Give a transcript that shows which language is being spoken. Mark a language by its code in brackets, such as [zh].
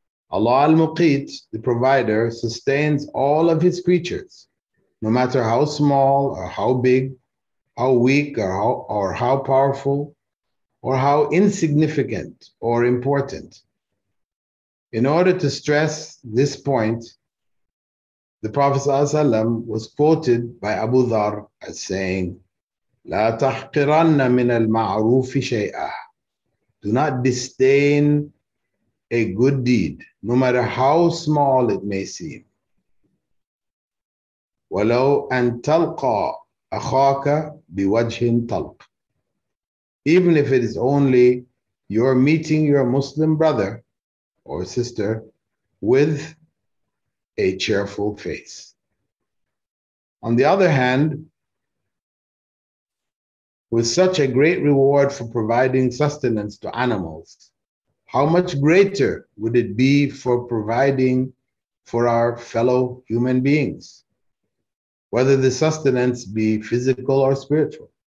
[en] Allah Al-Muqit, the provider, sustains all of his creatures, no matter how small or how big, how weak or how powerful, or how insignificant or important. In order to stress this point, the Prophet ﷺ was quoted by Abu Dharr as saying, [ar] لا تحقرن من المعروف شيئا. [en] Do not disdain a good deed, no matter how small it may seem. [ar] ولو أن تلقى أخاك بوجه طلق. [en] Even if it is only you're meeting your Muslim brother or sister with a cheerful face. On the other hand, with such a great reward for providing sustenance to animals, how much greater would it be for providing for our fellow human beings, whether the sustenance be physical or spiritual?